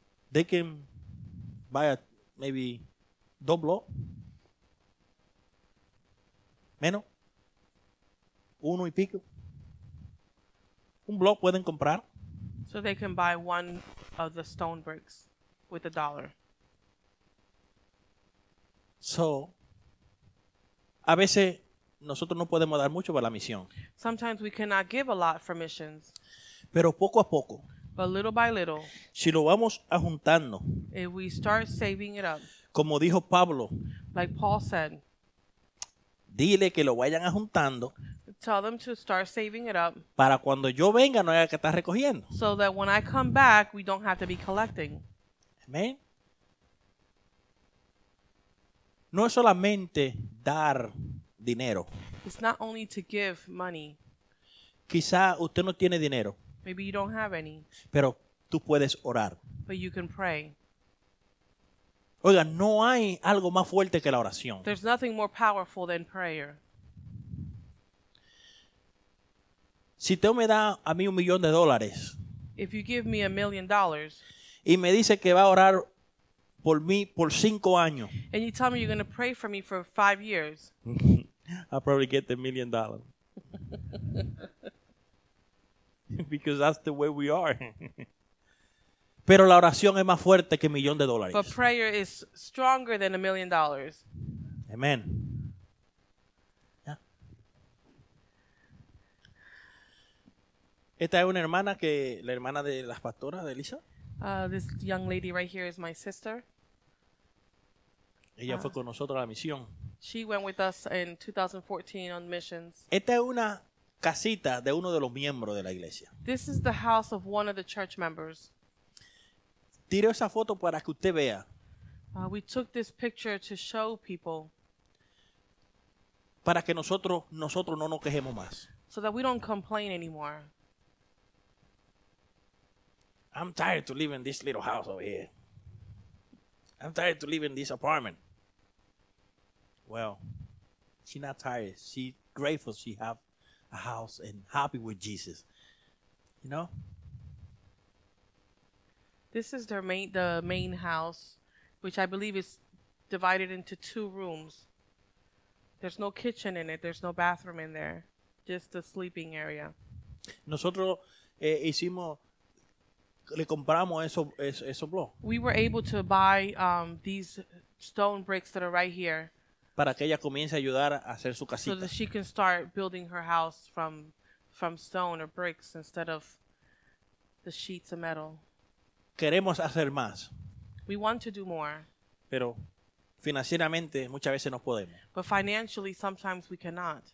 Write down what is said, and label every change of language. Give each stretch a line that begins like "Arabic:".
English: They can buy a maybe doblo.
Spanish: Meno. Uno y pico. Un bloc pueden comprar.
English: So they can buy one of the stone bricks with a dollar.
Spanish: So, a veces nosotros no podemos dar mucho para la misión.
English: Sometimes we cannot give a lot for missions.
Spanish: Pero poco a poco.
English: But little by little.
Spanish: Si lo vamos a juntando.
English: If we start saving it up.
Spanish: Como dijo Pablo.
English: Like Paul said.
Spanish: Dile que lo vayan juntando.
English: Tell them to start saving it up.
Spanish: Para cuando yo venga no haya que estar recogiendo.
English: So that when I come back, we don't have to be collecting. Amen.
Spanish: No es solamente dar dinero.
English: It's not only to give money.
Spanish: Quizá usted no tiene dinero.
English: Maybe you don't have any.
Spanish: Pero tú puedes orar.
English: But you can pray.
Spanish: Oiga, no hay algo más fuerte que la oración.
English: There's nothing more powerful than prayer.
Spanish: Si usted me da a mí $1,000,000,
English: if you give me $1,000,000,
Spanish: y me dice que va a orar por mí por 5 años,
English: and you tell me you're going to pray for me for 5 years, I'll probably get $1,000,000. Because that's the way we are.
Spanish: Pero la oración es más fuerte que $1,000,000.
English: But prayer is stronger than $1,000,000. Amen.
Spanish: Esta es una hermana que la hermana de las pastoras de Elisa.
English: This young lady right here is my sister.
Spanish: Ella fue con nosotros a la misión.
English: She went with us in 2014 on missions.
Spanish: Esta es una casita de uno de los miembros de la iglesia.
English: This is the house of one of the church members.
Spanish: Tiro esa foto para que usted vea.
English: We took this picture to show people.
Spanish: Para que nosotros no nos quejemos más.
English: So that we don't complain anymore. I'm tired to live in this little house over here. I'm tired to live in this apartment. Well, she's not tired. She's grateful she have a house and happy with Jesus. You know? This is the main house, which I believe is divided into two rooms. There's no kitchen in it. There's no bathroom in there. Just a sleeping area.
Spanish: Nosotros hicimos... Le compramos esos bloques.
English: We were able to buy these stone bricks that are right here.
Spanish: Para que ella comience a ayudar a hacer su casita.
English: So that she can start building her house from stone or bricks instead of the sheets of metal.
Spanish: Queremos hacer más.
English: We want to do more.
Spanish: Pero financieramente muchas veces no podemos.
English: But financially sometimes we cannot.